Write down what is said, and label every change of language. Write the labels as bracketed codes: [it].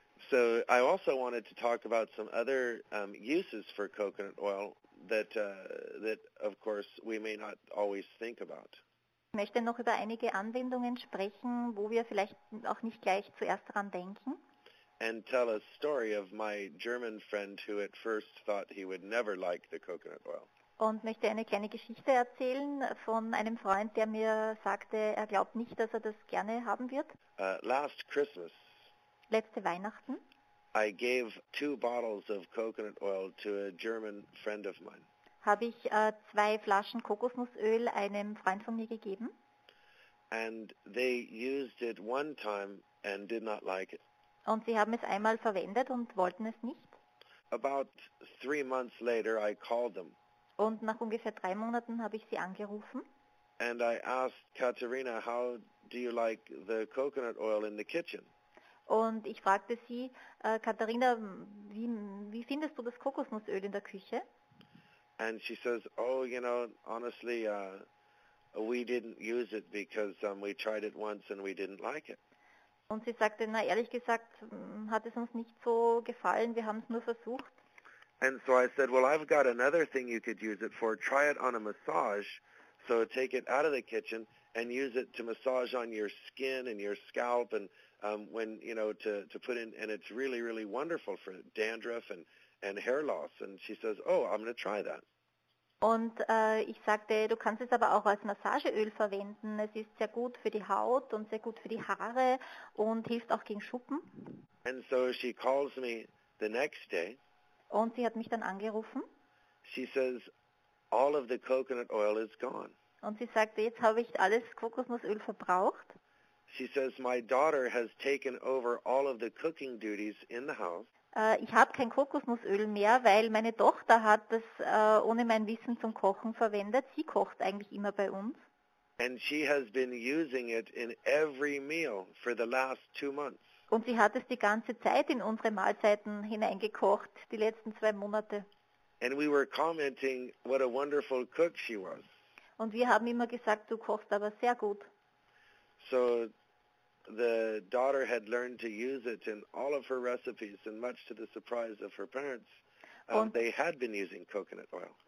[en] So I also wanted to talk about some other uses for coconut oil that of course we may not always think about. [de] Ich möchte noch über einige Anwendungen sprechen, wo wir vielleicht auch nicht gleich zuerst daran denken. [en] And tell a story of my German friend who at first thought he would never like the coconut oil. [de] Und möchte eine kleine Geschichte erzählen von einem Freund, der mir sagte, er glaubt nicht, dass er das gerne haben wird. [en] Last Christmas. [de] Letzte Weihnachten. [en] I gave two bottles of coconut oil to a German friend of mine. [de] Habe ich zwei Flaschen Kokosnussöl einem Freund von mir gegeben. [en] And they used it one time and did not like it. [de] Und sie haben es einmal verwendet und wollten es nicht. [en] About 3 months later, I called them. [de] Und nach ungefähr 3 Monaten habe ich sie angerufen. [en] And I asked Katharina, how do you like the coconut oil in the kitchen? [de] Und ich fragte sie, Katharina, wie findest du das Kokosnussöl in der Küche? [en] And she says, oh, you know, honestly, we didn't use it because we tried it once and we didn't like it. [de] Und sie sagte, na ehrlich gesagt, hat es uns nicht so gefallen, wir haben es nur versucht. [en] And so I said, well, I've got another thing you could use it for. Try it on a massage. So take it out of the kitchen and use it to massage on your skin and your scalp and when, you know, to put in, and it's really, really wonderful for dandruff and hair loss. And she says, oh, I'm going to try that. [de] Und ich sagte, du kannst es aber auch als Massageöl verwenden. Es ist sehr gut für die Haut und sehr gut für die Haare und hilft auch gegen Schuppen. [en] And so she calls me the next day. [de] Und sie hat mich dann angerufen. [en] She says, all of the coconut oil is gone. [de] Und sie sagte, jetzt habe ich alles Kokosnussöl verbraucht. [en] She says, my daughter has taken over all of the cooking duties in the house. [de] Ich habe kein Kokosnussöl mehr, weil meine Tochter hat es ohne mein Wissen zum Kochen verwendet. Sie kocht eigentlich immer bei uns. [en] And she has been using it in every meal for the last 2 months. [de] Und sie hat es die ganze Zeit in unsere Mahlzeiten hineingekocht, die letzten 2 Monate. [en] And we were commenting what a wonderful cook she was. [de] Und wir haben immer gesagt, du kochst aber sehr gut. [en] So the daughter had learned to use it in all of her recipes, and much to the surprise of her parents, they had been using coconut oil.